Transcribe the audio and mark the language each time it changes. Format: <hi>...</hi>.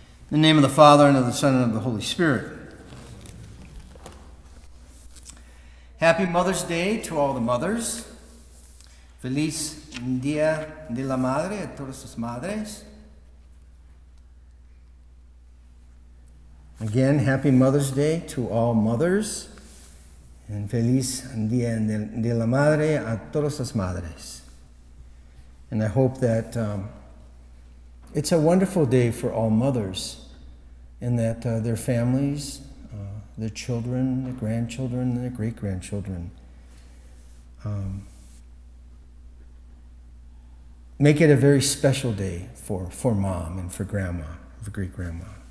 <en>In the name of the Father, and of the Son, and of the Holy Spirit. Happy Mother's Day to all the mothers.</en> <es>Feliz Día de la Madre a todas las madres.</es> <en>Again, happy Mother's Day to all mothers.</en> <es>And Feliz Día de la Madre a todas las madres.</es> <en>And I hope that it's a wonderful day for all mothers, and that their families, their children, their grandchildren, and their great-grandchildren make it a very special day for mom and for grandma, for great-grandma.</en>